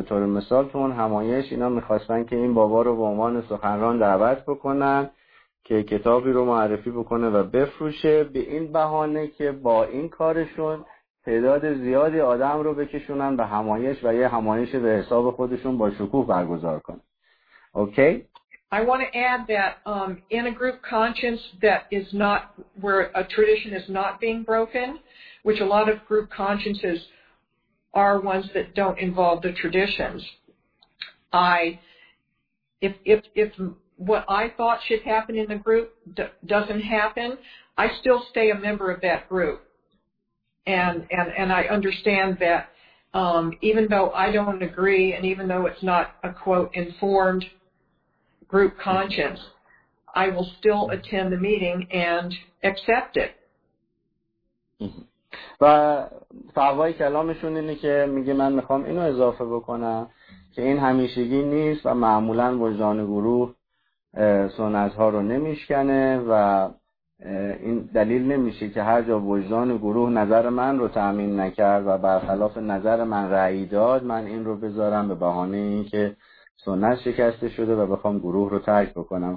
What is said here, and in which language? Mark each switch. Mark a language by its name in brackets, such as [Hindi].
[Persian] به طور مثال تو اون همایش اینا میخواستن که این بابا رو به عنوان سخنران دعوت بکنن که کتابی رو معرفی بکنه و بفروشه به این بهانه که با این کارشون تعداد زیادی آدم رو بکشونن به همایش و یه همایش به حساب خودشون با شکوه برگزار کنن. [English] Okay? I want to add that in a group conscience that is not where a tradition is not being broken, which a lot of group consciences are ones that don't involve the traditions. If what I thought should happen in the group doesn't happen, I still stay a member of that group. And I understand that even though I don't agree and even though it's not a, quote, informed group conscience, I will still attend the meeting and accept it. [Persian] و فهوای کلامشون اینه که میگه من میخوام اینو اضافه بکنم که این همیشگی نیست و معمولا وجدان گروه سنت ها رو نمیشکنه و این دلیل نمیشه که هر جا وجدان گروه نظر من رو تأمین نکرد و برخلاف نظر من رأی داد من این رو بذارم به بهانه این که سنت شکسته شده و بخوام گروه رو ترک بکنم.